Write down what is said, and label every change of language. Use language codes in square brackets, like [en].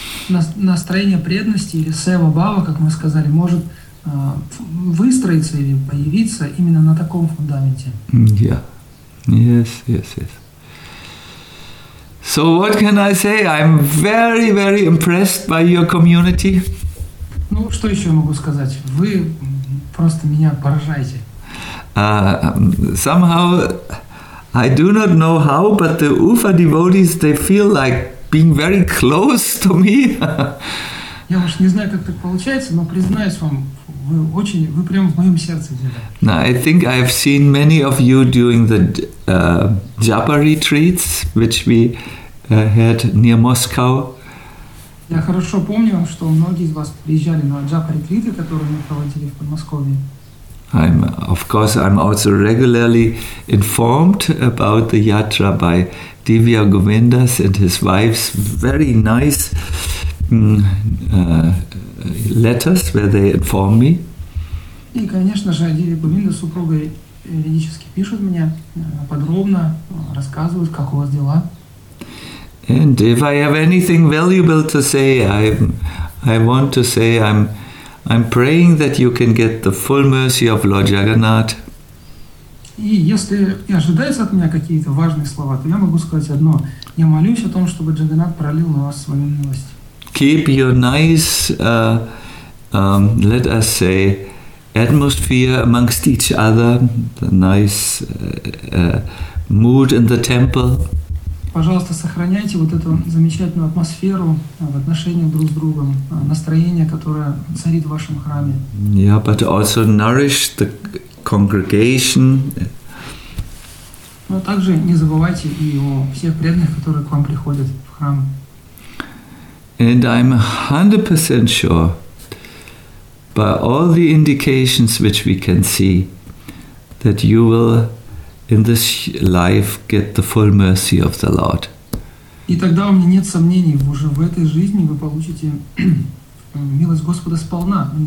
[ru] Настроение преданности или seva bhava, как мы сказали, может выстроиться или появиться именно на таком фундаменте. [en] Yeah. Yes, yes, yes. So what can I say? I'm very, very impressed by your community. [ru] Ну, что еще могу сказать? Вы просто меня поражаете. [en] Somehow, I do not know how, but the Ufa devotees, they feel like being very close to me. [ru] Я уж не знаю, как так получается, но признаюсь вам, вы очень, вы прямо в моем сердце. [en] Now, I think I have seen many of you during the Japa retreats, which we had near Moscow. [ru] Я хорошо помню, что многие из вас приезжали на Japa ретриты, которые мы проводили в Подмосковье. [en] I'm, of course, I'm also regularly informed about the yatra by Divya Govindas and his wife's very nice letters where they inform me. [ru] И, конечно же, Дивья Говинда с супругой периодически пишут мне подробно, рассказывают, как у вас дела. [en] And if I have anything valuable to say, I want to say I'm praying that you can get the full mercy of Lord Jagannath. [ru] И если и ожидается от меня какие-то важные слова, то я могу сказать одно. Я молюсь о том, чтобы Джаганнат пролил на вас свою милость. [en] Keep your nice, let us say, atmosphere amongst each other, the nice mood in the temple. [ru] Пожалуйста, сохраняйте вот эту замечательную атмосферу в отношениях друг с другом, настроение, которое царит в вашем храме. [en] Yeah, but also nourish the congregation. [ru] Но также не забывайте и о всех преданных, которые к вам приходят в храм. [en] And I'm 100% sure, by all the indications which we can see, that you will in this life get the full mercy of the Lord. [ru] И тогда у меня нет сомнений, уже в этой жизни вы получите милость Господа сполна.